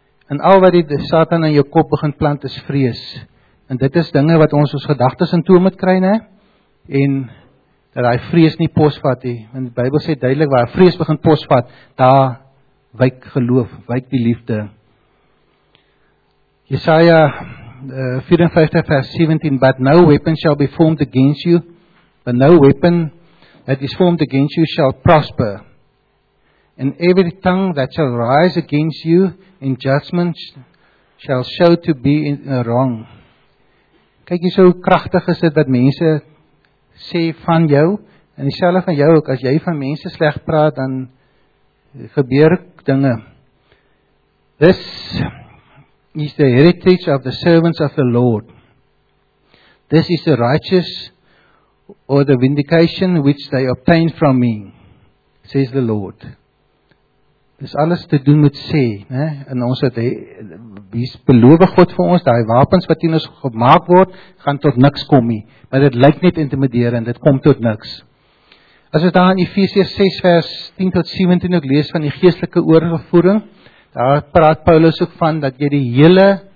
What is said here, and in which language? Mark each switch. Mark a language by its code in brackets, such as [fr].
[af] En al wat die Satan in jou kop begin plant is vrees. En dit is dinge wat ons gedagtes in toe moet kry, ne? En dat hy vrees nie posvat nie. En die Bybel sê duidelik, waar vrees begin posvat, daar wyk geloof, wyk die liefde. Jesaja 54 vers 17, [en] but no weapon shall be formed against you, but no weapon that is formed against you shall prosper. And every tongue that shall rise against you in judgment shall show to be in wrong. [af] Kyk hier, so kragtig is dit wat mense sê van jou, en dieselfde van jou ook, as jy van mense sleg praat, dan gebeur dinge. [en] This is the heritage of the servants of the Lord. This is the righteous or the vindication which they obtain from me, says the Lord. [af] Dis alles te doen met sê, ne? En ons het, wie beloof God vir ons, die wapens wat in ons gemaak word, gaan tot niks kom nie. Maar dit lyk net intimiderend, dit kom tot niks. As ons daar in Efesiërs 6 vers 10 tot 17 ook lees van die geestelike oorlogvoering, daar praat Paulus ook van dat jy die hele